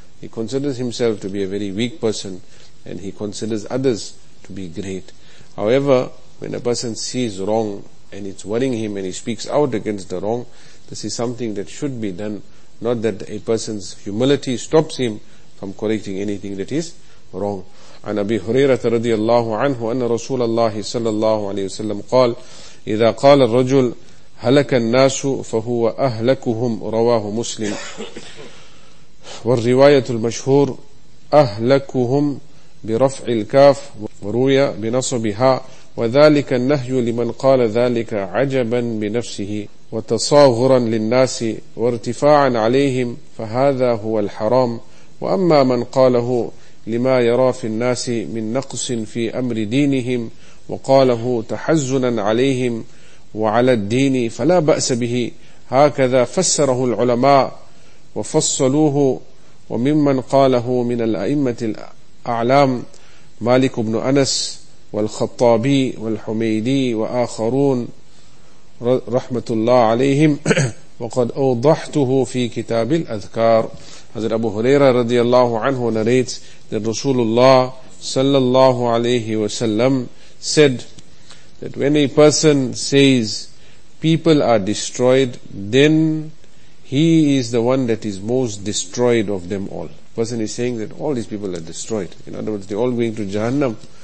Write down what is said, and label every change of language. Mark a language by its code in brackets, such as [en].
[en] He considers himself to be a very weak person, and he considers others to be great. However, when a person sees wrong and it's worrying him and he speaks out against the wrong, this is something that should be done. Not that a person's humility stops him from correcting anything that is wrong. [ar] عن أبي هريرة رضي الله عنه أن رسول الله صلى الله عليه وسلم قال إذا قال الرجل هلك الناس فهو أهلكهم رواه مسلم والرواية المشهور أهلكهم برفع الكاف وروي بنصبها وذلك النهي لمن قال ذلك عجبا بنفسه وتصاغرا للناس وارتفاعا عليهم فهذا هو الحرام وأما من قاله لما يرى في الناس من نقص في أمر دينهم وقاله تحزنا عليهم وعلى الدين فلا بأس به هكذا فسره العلماء وفصلوه وممن قاله من الأئمة الأعلام مالك بن أنس والخطابي والحميدي وآخرون رحمة الله عليهم وقد أوضحته في كتاب الأذكار. [en] Hazrat Abu Huraira radiallahu anhu narrates that Rasulullah sallallahu alayhi wa sallam said that when a person says people are destroyed, then he is the one that is most destroyed of them all. Person is saying that all these people are destroyed. In other words, they're all going to Jahannam.